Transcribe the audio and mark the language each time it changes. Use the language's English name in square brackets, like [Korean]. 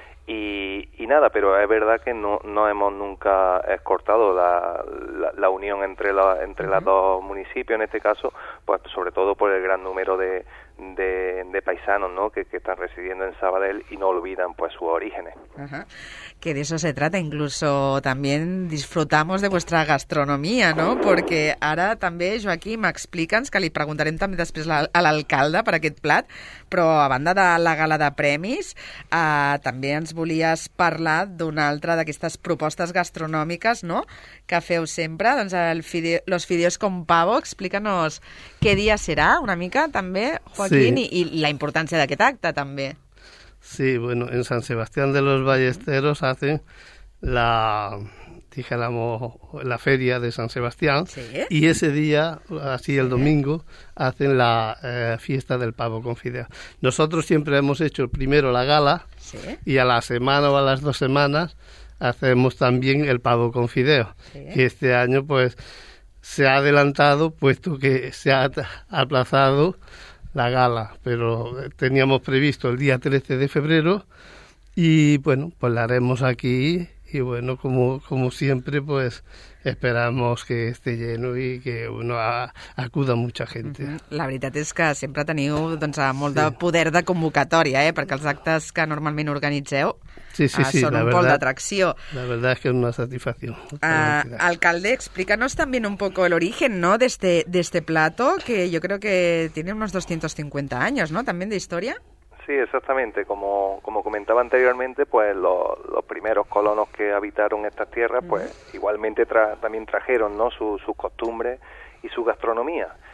[Spanish] Y nada, pero es verdad que no hemos nunca cortado la unión entre uh-huh. los dos municipios, en este caso, pues sobre todo por el gran número de paisanos, ¿no?, que están residiendo en Sabadell y no olvidan, pues, sus orígenes. Uh-huh. Que de eso se trata, incluso también disfrutamos de vuestra gastronomía, ¿no? Uh-huh. [Catalan] Porque ara també, Joaquim, explica'ns, que li preguntarem també després a l'alcalde per aquest plat, però a banda de la gala de premis, també ens volies parlar d'una altra d'aquestes propostes gastronòmiques, no?, que feu sempre, doncs el [Spanish] los fideos con pavo. [Catalan] Explica'ns què dia serà una mica també, Joaquín, sí. I la importància d'aquest acte també. [Spanish] Sí, bueno, en San Sebastián de los Ballesteros hacen la, dijéramos, la feria de San Sebastián. ¿Sí? Y ese día, así el domingo, hacen la fiesta del pavo con fideo. Nosotros siempre hemos hecho primero la gala. ¿Sí? Y a la semana o a las dos semanas hacemos también el pavo con fideo. ¿Sí? Y este año, pues, se ha adelantado, puesto que se ha aplazado la gala, pero teníamos previsto el día 13 de febrero y, bueno, pues la haremos aquí y, bueno, como siempre, pues esperamos que esté lleno y que uno acuda mucha gente. [Catalan] La veritat és que sempre teniu, doncs, molt de poder de convocatòria, perquè els actes que normalment organitzeu sí, són un pol d'atracció. [Spanish] La verdad es que es una satisfacción. Alcalde, explícanos también un poco el origen, ¿no?, de este plato, que yo creo que tiene unos 250 años, ¿no?, también de historia. Sí, exactamente. Como comentaba anteriormente, pues los primeros colonos que habitaron estas tierras, pues igualmente también trajeron, ¿no?, sus costumbres y su gastronomía.